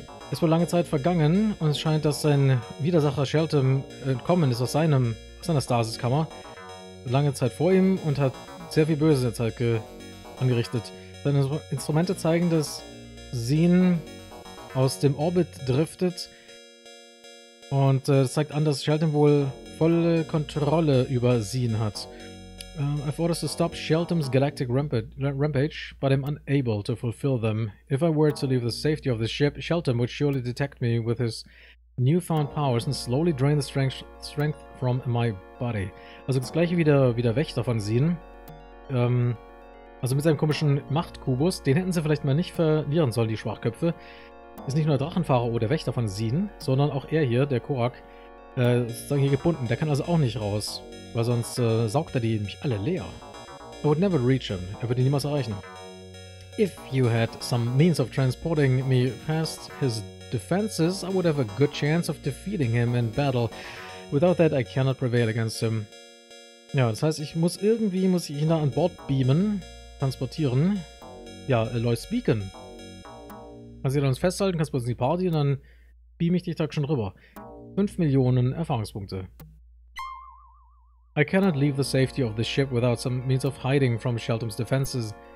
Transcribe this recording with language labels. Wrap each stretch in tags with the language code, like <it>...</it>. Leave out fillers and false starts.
<de>Es war lange Zeit vergangen und es scheint, dass sein Widersacher Sheldon entkommen ist aus seiner Stasiskammer. Lange Zeit vor ihm und hat sehr viel Böses in der Zeit angerichtet. Seine Instrumente zeigen, dass Zine aus dem Orbit driftet. Und es zeigt an, dass Sheldon wohl volle Kontrolle über Zeen hat.</de> <en>I've orders to stop Sheltum's galactic rampage, but I'm unable to fulfill them. If I were to leave the safety of the ship, Sheltum would surely detect me with his newfound powers and slowly drain the strength from my body.</en> <de>Also das gleiche wieder Wächter von Zeen. Also mit seinem komischen Machtkubus, den hätten sie vielleicht mal nicht verlieren sollen, die Schwachköpfe. Ist nicht nur der Drachenfahrer oder der Wächter von Zeen, sondern auch er hier, der Korak, sozusagen hier gebunden. Der kann also auch nicht raus, weil sonst saugt er die nämlich alle leer.</de> <en>I would never reach him.</en> <de>Er würde ihn niemals erreichen.</de> <en>If you had some means of transporting me past his defenses, I would have a good chance of defeating him in battle. Without that, I cannot prevail against him.</en> <de>Ja, das heißt, ich muss irgendwie, muss ich ihn da an Bord beamen, transportieren. Ja, Lois Beacon. Kannst du dann uns festhalten, kannst du uns die Party und dann beam ich dich da schon rüber. 5 Millionen Erfahrungspunkte.</de> <en>I cannot leave the safety of the ship without some means of hiding from Sheltum's defenses.</en>